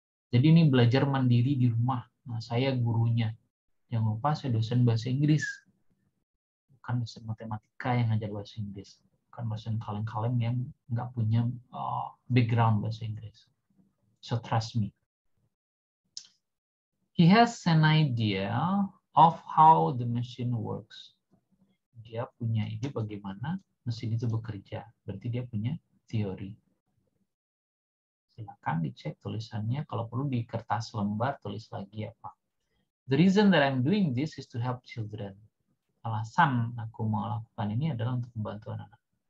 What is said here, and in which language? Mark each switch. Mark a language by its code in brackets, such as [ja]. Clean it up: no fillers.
[id] Jadi ini belajar mandiri di rumah. Nah, saya gurunya. Jangan lupa saya dosen bahasa Inggris. Bukan dosen matematika yang ngajar bahasa Inggris. Bukan dosen kaleng-kaleng yang nggak punya background bahasa Inggris. [en] So trust me. He has an idea of how the machine works. [id] Dia punya ide bagaimana mesin itu bekerja. Berarti dia punya teori. Silakan dicek tulisannya. Kalau perlu di kertas lembar, tulis lagi apa. [en] The reason that I'm doing this is to help children. [id] Alasan aku melakukan ini adalah untuk membantu anak-anak.